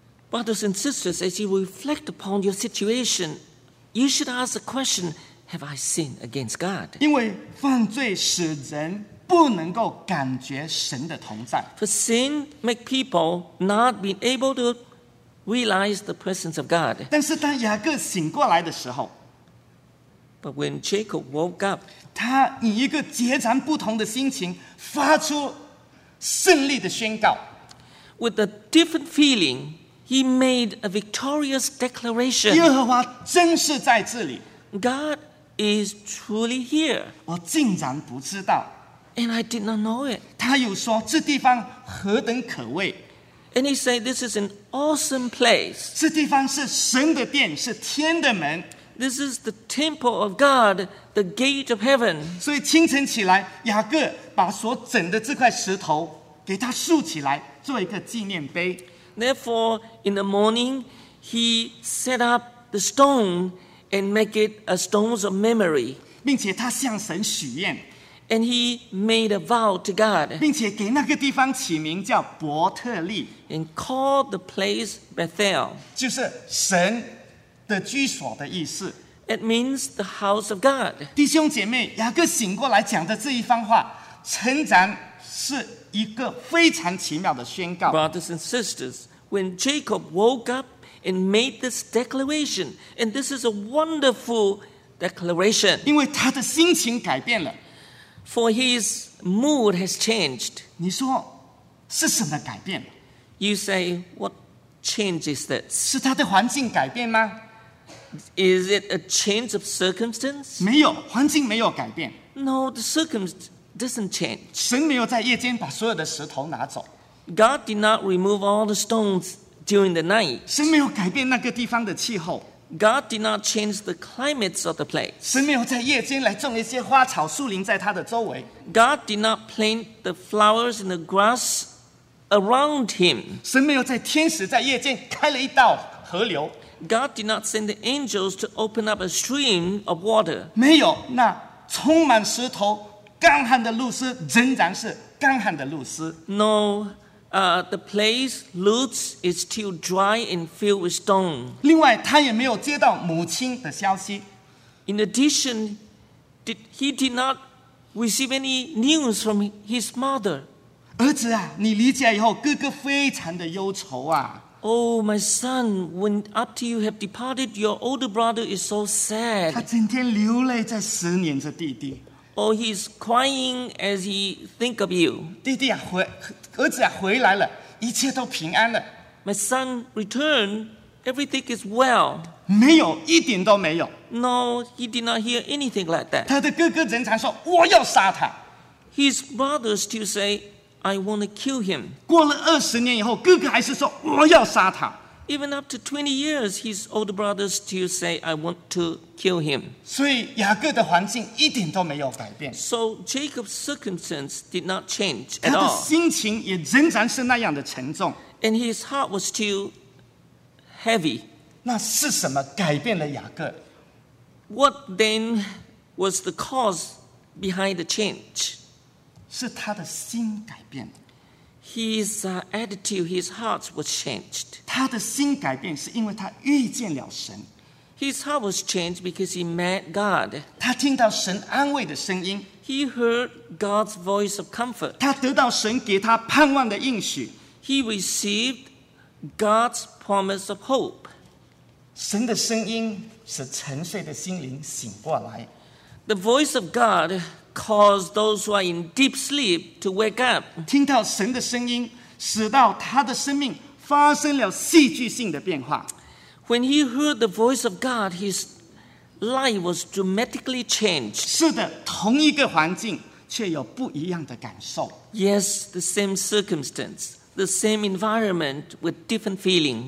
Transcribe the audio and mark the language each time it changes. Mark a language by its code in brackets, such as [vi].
[en] Brothers and sisters, as you reflect upon your situation, you should ask the question: Have I sinned against God? [zh] 因为犯罪使人不能够感觉神的同在。 [en] For sin make people not be able to. Realize the presence of God. [zh] 但是当雅各醒过来的时候 [en] ，But when Jacob woke up, [zh] 他以一个截然不同的心情发出胜利的宣告。 [en] With a different feeling, he made a victorious declaration. [zh] 耶和华真是在这里。 [en] God is truly here. [zh] 我竟然不知道。 [en] And I did not know it. [zh] 他又说这地方何等可畏。 [en] And he said, "This is an awesome place." [zh] 这地方是神的殿，是天的门。 [en] This is the temple of God, the gate of heaven. [zh] 所以清晨起来，雅各把所整的这块石头给他竖起来，做一个纪念碑。 [en] Therefore, in the morning, he set up the stone and make it a stone of memory. [zh] 并且他向神许愿。 [en] And he made a vow to God. [zh] 并且给那个地方起名叫伯特利。 [en] And called the place Bethel. [zh] 就是神的居所的意思。 [en] It means the house of God. [zh] 弟兄姐妹，雅各醒过来讲的这一番话，诚然是一个非常奇妙的宣告。 [en] Brothers and sisters, when Jacob woke up and made this declaration, and this is a wonderful declaration. [zh] 因为他的心情改变了。 [en] For his mood has changed. [zh] 你说是什么改变？ [en] You say, what change is this? [zh] 是他的环境改变吗？ [en] Is it a change of circumstance? [zh] 没有，环境没有改变。 [en] No, the circumstance doesn't change. [zh] 神没有在夜间把所有的石头拿走。 [en] God did not remove all the stones during the night. [zh] 神没有改变那个地方的气候。 [en] God did not change the climates of the place. [zh] 神没有在夜间来种一些花草树林在他的周围。 [en] God did not plant the flowers and the grass around him. [zh] 神没有在天使在夜间开了一道河流。 [en] God did not send the angels to open up a stream of water. [zh] 没有，那充满石头干旱的路斯仍然是干旱的路斯。 [en] No. The place looks is still dry and filled with stone. [zh] 另外，他也没有接到母亲的消息。 [en] In addition, he did not receive any news from his mother. [zh] 儿子啊，你离家以后，哥哥非常的忧愁啊。 [en] Oh, my son, when after you have departed, your older brother is so sad. [zh] 他整天流泪在思念着弟弟。 [en] Oh, he's crying as he think of you. [zh] 弟弟啊，回儿子啊，回来了，一切都平安了。 [en] My son returned. Everything is well. [zh] 没有，一点都没有。 [en] No, he did not hear anything like that. [zh] 他的哥哥仍然说，我要杀他。 [en] His brother still say, I want to kill him. [zh] 过了二十年以后，哥哥还是说，我要杀他。 [en] Even up to 20 years, his older brother still say, I want to kill him. [zh] 所以雅各的环境一点都没有改变。 [en] So Jacob's circumstance did not change at all. [zh] 他的心情也仍然是那样的沉重。 [en] And his heart was still heavy. [zh] 那是什么改变了雅各？ [en] What then was the cause behind the change? [zh] 是他的心改变了。 [en] His attitude, his heart was changed. [zh] 他的心改变是因为他遇见了神。 [en] His heart was changed because he met God. [zh] 他听到神安慰的声音。 [en] He heard God's voice of comfort. [zh] 他得到神给他盼望的应许。 [en] He received God's promise of hope. [zh] 神的声音使沉睡的心灵醒过来。 [en] The voice of God. Cause those who are in deep sleep to wake up. [zh] 听到神的声音，使到他的生命发生了戏剧性的变化。 [en] When he heard the voice of God, his life was dramatically changed. [zh] 是的，同一个环境，却有不一样的感受。 [en] Yes, the same circumstance, the same environment with different feeling.